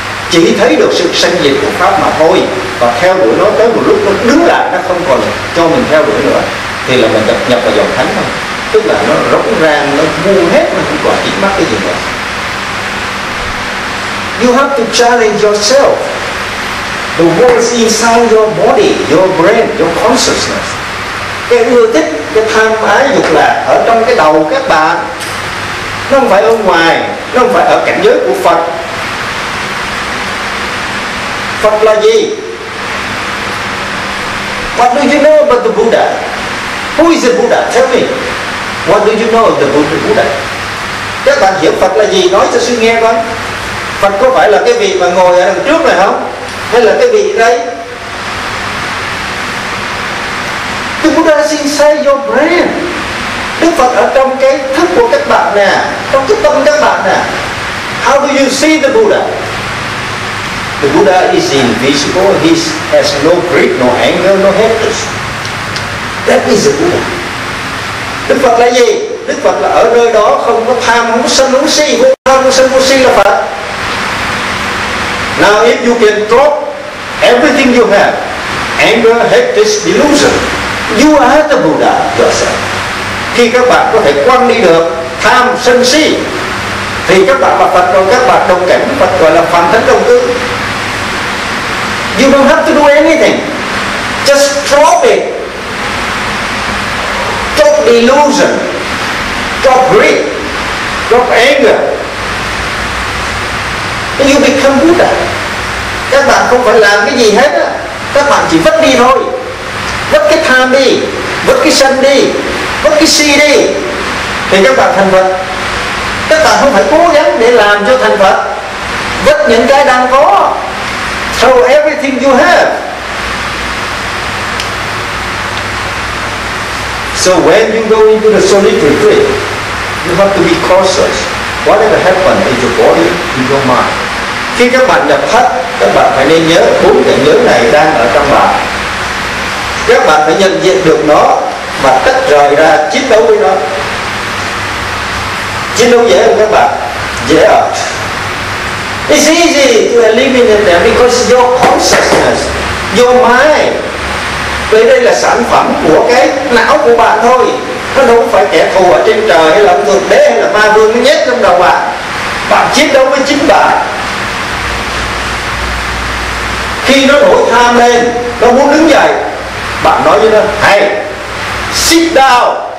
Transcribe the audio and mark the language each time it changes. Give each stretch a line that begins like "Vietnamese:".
Vietnamese: Chỉ thấy được sự sanh diệt của pháp mà thôi, và theo đuổi nó tới một lúc nó đứng lại, nó không còn cho mình theo đuổi nữa, thì là mình nhập vào dòng thánh thôi. Tức là nó rỗng ràng, nó buông hết, nó không còn dính mắc cái gì nữa.
English: You have to challenge yourself, the world inside your body, your brain, your consciousness.
Vietnamese: Cái ưa thích, cái tham ái dục lạc ở trong cái đầu các bạn, nó không phải ở ngoài, nó không phải ở cảnh giới của Phật. Phật là gì?
English: What do you know about the Buddha? Who is the Buddha? Tell me. What do you know about the Buddha?
Vietnamese: Các bạn hiểu Phật là gì? Nói cho sư nghe coi. Phật có phải là cái vị mà ngồi ở đằng trước này không? Hay là cái vị đấy?
English: The Buddha is inside your brain.
Vietnamese: Đức Phật ở trong cái thức của các bạn nè, trong cái tâm các bạn nè.
English: How do you see the Buddha? The Buddha is invisible, he has no greed, no anger, no hatred. That is the Buddha.
Vietnamese: Đức Phật là gì? Đức Phật là ở nơi đó không có tham, không có sân, không có si. Vô tham, vô sân, vô si là Phật.
English: Now if you can drop everything you have, anger, hatred, delusion, you are the Buddha yourself.
Vietnamese: Khi các bạn có thể quăng đi được tham, sân, si, thì các bạn là Phật rồi. Các bạn đồng cảnh Phật, gọi là phàm thánh đồng cư.
English: You don't have to do anything. Just drop it. Drop illusion. Drop greed. Drop anger. And you become Buddha.
Vietnamese: Các bạn không phải làm cái gì hết á. Các bạn chỉ vứt đi thôi. Vứt cái tham đi. Vứt cái sân đi. Vứt cái si đi. Thì các bạn thành Phật. Các bạn không phải cố gắng để làm cho thành Phật. Vứt những cái đang có.
English: So everything you have. So when you go into the solid retreat, you have to be cautious. Whatever happens in your body, in your mind.
Vietnamese: Khi các bạn nhập thất, các bạn phải nên nhớ bốn cảnh giới này đang ở trong bạn. Các bạn phải nhận diện được nó và tách rời ra chiến đấu với nó. Chiến đấu dễ không các bạn? Dễ à?
English: It's easy to eliminate them because your consciousness, your mind.
Vietnamese: Vì đây là sản phẩm của cái não của bạn thôi. Nó đâu phải kẻ thù ở trên trời hay là ông thượng đế hay là ma vương nó nhét trong đầu bạn. Bạn chiến đấu với chính bạn. Khi nó nổi tham lên, nó muốn đứng dậy, bạn nói với nó,
English: hey, sit down.